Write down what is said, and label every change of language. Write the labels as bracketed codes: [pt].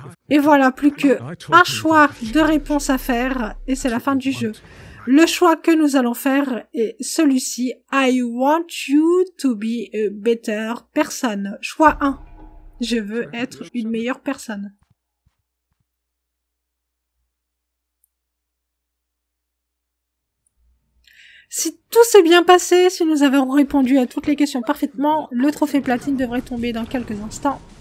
[fr] Et voilà, plus que un choix de réponse à faire, et c'est la fin du jeu. Le choix que nous allons faire est celui-ci. [en] I want you to be a better person. [fr] Choix 1. Je veux être une meilleure personne. Si tout s'est bien passé, si nous avons répondu à toutes les questions parfaitement, le trophée platine devrait tomber dans quelques instants.